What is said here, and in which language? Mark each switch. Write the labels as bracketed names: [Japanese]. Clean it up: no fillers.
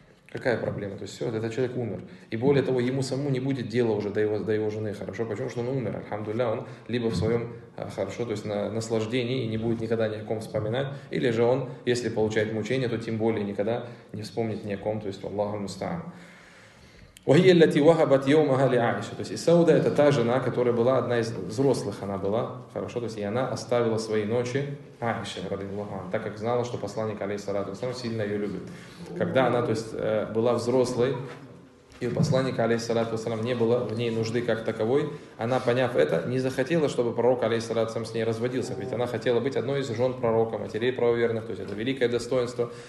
[Russian] Какая проблема? То есть все, этот человек умер. И более того, ему самому не будет дела уже до его жены, хорошо? Почему? Что он умер, альхамдулля, он либо в своем, хорошо, то есть на наслаждении и не будет никогда ни о ком вспоминать, или же он, если получает мучение, то тем более никогда не вспомнит ни о ком, то есть Аллаху мустаан. [Arabic] وهي التي وهبت يومها لعائشة. [Russian] То есть и Сауда это та жена, которая была одна из взрослых, она была, хорошо, то есть и она оставила свои ночи Аиша, радиллаху анха, так как знала, что посланник алейхиссалату вассалям сильно ее любит. Когда она, то есть, была взрослой, и у посланника алейхиссалату вассалям не было в ней нужды как таковой, она, поняв это, не захотела, чтобы пророк алейхиссалату вассалям с ней разводился, ведь она хотела быть одной из жен пророка, матерей правоверных, то есть это великое достоинство.